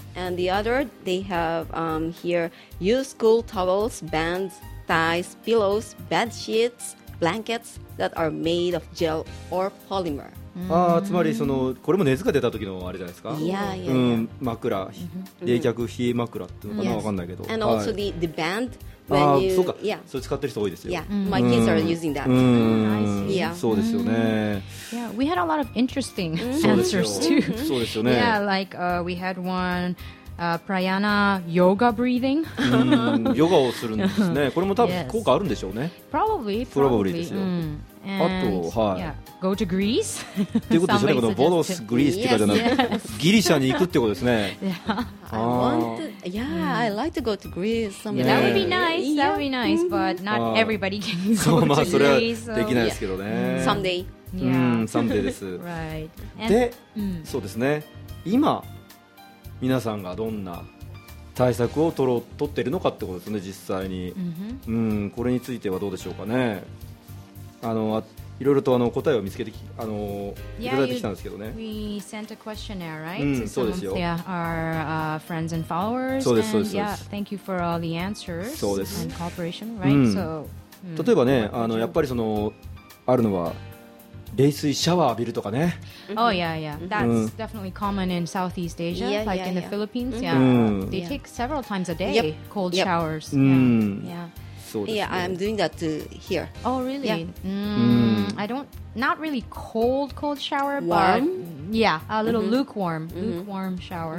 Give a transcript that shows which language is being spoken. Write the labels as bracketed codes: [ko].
[en] And the other, they have here use cool towels, bands, ties, pillows, bed sheets, blankets that are made of gel or polymer. [ja] ああ、つまりそのこれも熱が出た時のあれじゃないですか。 [en] Yeah, yeah, yeah. [ja] 枕、冷却冷え枕っていうのかな、わかんないけど。 [en] And also the band when you. [ja] ああ、そうか。 [en] Yeah. [ja] それ使ってる人多いですよ。 [en] Yeah, my kids are using that. [ja] Yeah. そうですよね。 [en] Yeah, we had a lot of interesting answers too. [ja] そうですよね。 [en] Yeah, like we had one. Prayana yoga breathing. [ja] ヨガをするんですね。これも多分効果あるんでしょうね。 [en] Probably [ja] ですよ。あと、はい。 [en] Go to Greece. [ja] っていうことですね。このボロスグリースっていうかじゃなくて、ギリシャに行くってことですね。 [en] Yeah, I like to go to Greece. That would be nice. That would be nice, but not everybody can go to Greece. [ja] それはできないですけどね。 [en] Someday. [ja] Someday です。 [en] Right. [ja] で、そうですね。今皆さんがどんな対策を取っているのかってことですね、実際に。これについてはどうでしょうかね。いろいろと答えを見つけていただいてきたんですけどね。 [en] Yeah, we sent a questionnaire, right? [ja] そうですよ。 [en] Yeah, our friends and followers. [ja] そうです、そうです。 [en] Yeah, thank you for all the answers and cooperation, right? [ja] So, 例えばね、やっぱりそのあるのは冷水シャワー浴びるとかね。 [en] Oh yeah, yeah. That's definitely common in Southeast Asia, yeah, like in the Philippines. Yeah, yeah. They take several times a day cold showers. Yeah, I'm doing that too here. Oh really? Yeah. I don't. Not really cold shower. Warm. But yeah, a little lukewarm. Lukewarm shower.